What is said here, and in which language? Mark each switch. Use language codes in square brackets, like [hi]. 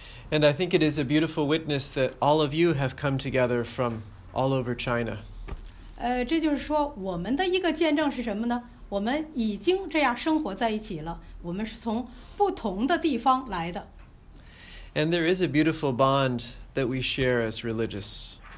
[en] And I think it is a beautiful witness that all of you have come together from all over China. [zh] 这就是说我们的一个见证是什么呢？我们已经这样生活在一起了，我们是从不同的地方来的。 [en] And there is a beautiful bond that we share as religious.